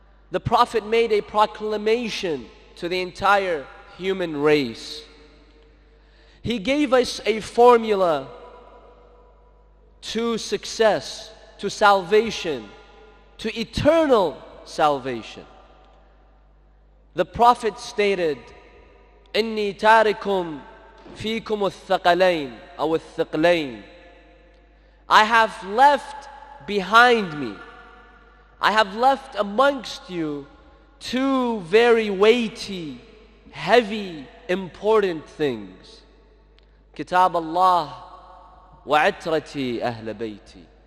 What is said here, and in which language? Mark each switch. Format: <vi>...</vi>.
<en>The Prophet made a proclamation to the entire human race. He gave us a formula to success, to salvation, to eternal salvation. The Prophet stated,</en> <ar>إني تاركم فيكم الثقلين أو الثقلين.</ar> <en>I have left behind me, I have left amongst you two very weighty, heavy, important things.</en> <ar>كتاب الله وعترتي أهل بيتي.</ar>